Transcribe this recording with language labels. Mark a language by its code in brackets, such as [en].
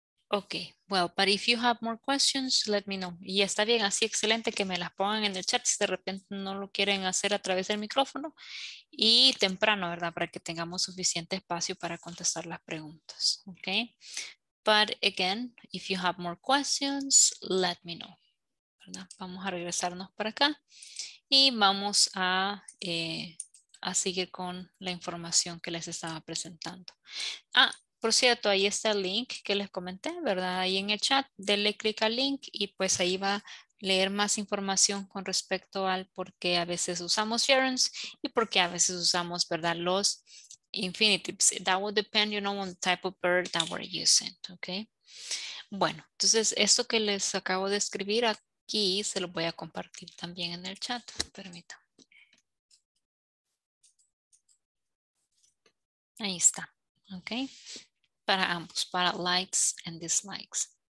[en] Okay, well, but if you have more questions, let me know. [es] Y está bien, así excelente que me las pongan en el chat si de repente no lo quieren hacer a través del micrófono y temprano, ¿verdad? Para que tengamos suficiente espacio para contestar las preguntas, okay? [en] But again, if you have more questions, let me know, ¿verdad? [es] Vamos a regresarnos para acá y vamos a seguir con la información que les estaba presentando. Ah, por cierto, ahí está el link que les comenté, ¿verdad? Ahí en el chat, denle clic al link y pues ahí va a leer más información con respecto al por qué a veces usamos gerunds y por qué a veces usamos, ¿verdad? Los infinitives. [en] That will depend, you know, on the type of verb that we're using, okay? [es] Bueno, entonces esto que les acabo de escribir aquí se lo voy a compartir también en el chat, permítanme. Ahí está. Okay, para ambos, para [en] likes and dislikes.